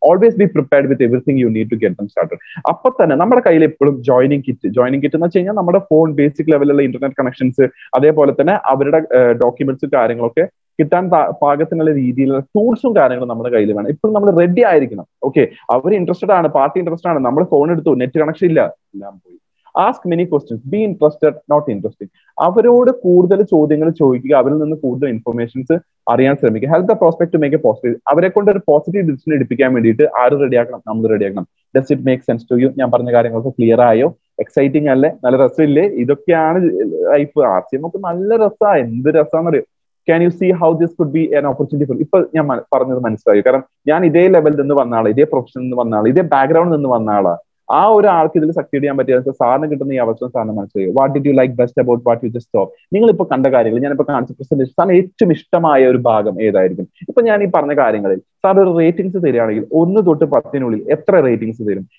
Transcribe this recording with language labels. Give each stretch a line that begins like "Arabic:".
English: Always be prepared with everything you need to get them started.
Malayalam: അപ്പൊ തന്നെ നമ്മുടെ കയ്യിൽ എപ്പോഴും ജോയിനിങ് കിറ്റ്, ജോയിനിങ് കിറ്റ് എന്ന് വെച്ച് കഴിഞ്ഞാൽ നമ്മുടെ ഫോൺ ബേസിക് ലെവലിലുള്ള ഇന്റർനെറ്റ് കണക്ഷൻസ്, അതേപോലെ തന്നെ അവരുടെ ഡോക്യുമെന്റ്സ് കാര്യങ്ങളൊക്കെ കിട്ടാൻ പാകത്തിനുള്ള രീതിയിലുള്ള ടൂൾസും കാര്യങ്ങളും നമ്മുടെ കയ്യിൽ വേണം. ഇപ്പോഴും നമ്മൾ റെഡി ആയിരിക്കണം. ഓക്കെ, അവർ ഇൻട്രസ്റ്റഡ് ആണ്, പാർട്ടി ഇൻട്രസ്റ്റഡ് ആണ്, നമ്മൾ ഫോൺ എടുത്തു, നെറ്റ് കണക്ഷൻ ഇല്ല, എല്ലാം പോയി.
English: Ask many questions, be interested, not interesting.
Malayalam: അവരോട് കൂടുതൽ ചോദ്യങ്ങൾ ചോദിക്കുക, അവരിൽ നിന്ന് കൂടുതൽ ഇൻഫർമേഷൻസ് അറിയാൻ ശ്രമിക്കുക.
English: help the prospect to make a positive,
Malayalam: അവരെ കൊണ്ട് ഒരു പോസിറ്റീവ് ഡിസിഷൻ എടുപ്പിക്കാൻ വേണ്ടിയിട്ട് ആര് റെഡിയാക്കണം, നമ്മൾ റെഡിയാക്കണം.
English: Does it make sense to you?
Malayalam: ഞാൻ പറഞ്ഞ കാര്യങ്ങളൊക്കെ ക്ലിയർ ആയോ? എക്സൈറ്റിംഗ് അല്ലേ? നല്ല രസമില്ലേ? ഇതൊക്കെയാണ് ലൈഫ്. ആർസിയം ഒക്കെ നല്ല രസമാണ്, എന്ത് രസമാണെന്ന് അറിയാം.
English: Can you see how this could be an opportunity for you?
Malayalam: ഇപ്പൊ ഞാൻ പറഞ്ഞത് മനസ്സിലായി. കാരണം ഞാൻ ഇതേ ലെവലിൽ നിന്ന് വന്ന ആളാണ്, ഇതേ പ്രൊഫഷനിൽ നിന്ന് വന്ന ആളാണ്, ഇതേ ബാക്ക്ഗ്രൗണ്ടിൽ നിന്ന് വന്ന ആളാണ്. ആ ഒരാൾക്ക് ഇതിൽ സക്സീഡ് ചെയ്യാൻ പറ്റിയ സാറിന് കിട്ടുന്ന ഈ അവസരം സാറിന് മനസ്സിലായി.
English: What did you like best about what you just saw?
Malayalam: നിങ്ങളിപ്പോ കണ്ട കാര്യങ്ങൾ, ഞാനിപ്പോ കാണിച്ച പ്രസന്റേഷൻ, സാറിന് ഏറ്റവും ഇഷ്ടമായ ഒരു ഭാഗം ഏതായിരിക്കും? ഇപ്പൊ ഞാൻ ഈ പറഞ്ഞ കാര്യങ്ങളിൽ സാർ ഒരു റേറ്റിംഗ്സ് തരികയാണെങ്കിൽ 1 to 10 എത്ര റേറ്റിംഗ്സ് തരും?